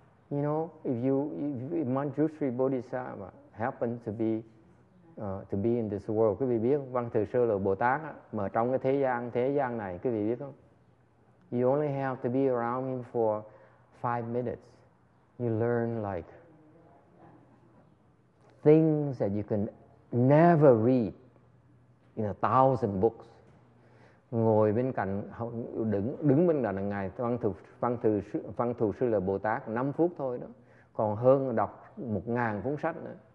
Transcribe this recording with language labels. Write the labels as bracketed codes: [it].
[en] You know, if Manjushri Bodhisattva happened to be in this world, [vi] quý vị biết không? Văn Thù Sư là Bồ Tát á, mà trong cái thế gian này, quý vị biết không? [en] You only have to be around him for 5 minutes. You learn like things that you can never read in 1,000 books. [vi] Ngồi bên cạnh, đứng bên cạnh Ngài Văn Thù Sư là Bồ Tát 5 phút thôi đó, còn hơn đọc 1,000 cuốn sách nữa.